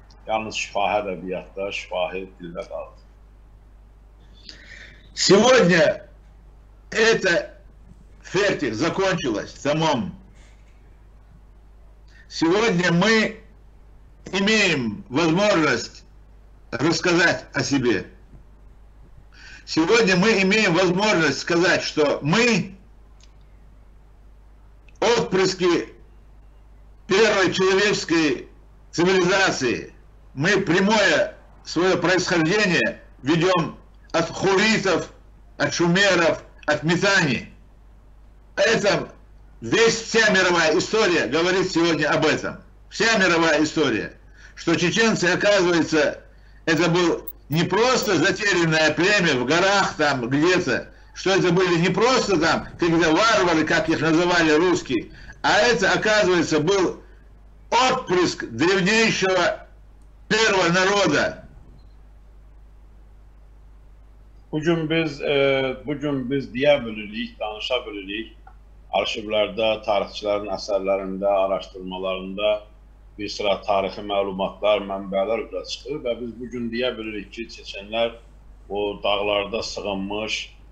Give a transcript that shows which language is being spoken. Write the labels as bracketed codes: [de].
[az] Yalnız şifahi ədəbiyyatda, şifahi dildə qaldı. [ru] Сегодня это фертих закончилось, tamam. Сегодня мы имеем возможность рассказать о себе. Сегодня мы имеем возможность сказать, что мы отпрыски первой человеческой цивилизации. Мы прямое свое происхождение ведем от хуритов, от шумеров, от метани. Это весь, вся мировая история говорит сегодня об этом. Вся мировая история. Что чеченцы, оказывается, это был не просто затерянное племя в горах там где-то, что это были не просто там какие-то варвары, как их называли русские, а это, оказывается, был отпрыск древнейшего первого народа. [az] Bugün biz, bugün biz diye bilirik, danışa bilirik, arşivlerde, tarihçilerin eserlerinde, araştırmalarında bir sıra tarixi məlumatlar, mənbələr üzrə çıxır və biz bugün deyə bilirik ki, çeçənlər o dağlarda sığınmış,